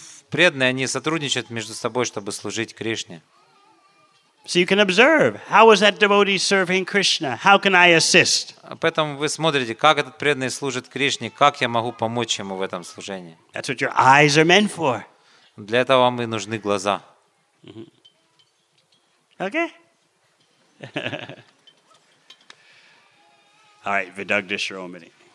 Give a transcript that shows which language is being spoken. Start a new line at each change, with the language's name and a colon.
Russian: Преданные они сотрудничают между собой, чтобы служить Кришне.
English: So you can observe how is that devotee serving Krishna? How can I assist?
Russian: Поэтому вы смотрите, как этот преданный служит Кришне, как я могу помочь ему в этом служении.
English: That's what your eyes are meant for.
Russian: Для этого вам и нужны глаза.
English: Okay. All right, Vidugda Shiromani.